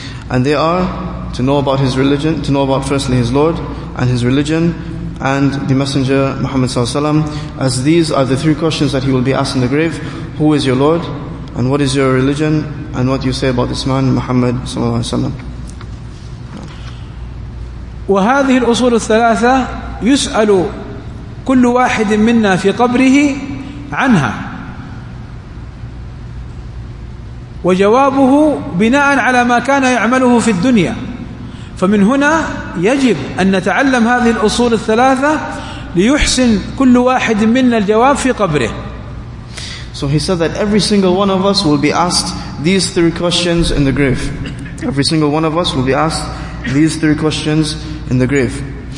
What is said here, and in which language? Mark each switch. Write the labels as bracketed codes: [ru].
[en] And they are to know about his religion, to know about firstly his Lord and his religion, and the Messenger Muhammad sallallahu alaihi wasallam, as these are the three questions that he will be asked in the grave: who is your Lord, and what is your religion, and what do you say about this man Muhammad sallallahu alaihi wasallam. [ar] وهذه الأصول الثلاثة يسأل كل واحد منا في قبره عنها، وجوابه بناء على ما كان يعمله في الدنيا. فمن هنا يجب أن نتعلم هذه الأصول الثلاثة ليحسن كل واحد منا الجواب في قبره. [en] So he said that every single one of us will be asked these three questions in the grave. Every single one of us will be asked these three questions in the grave.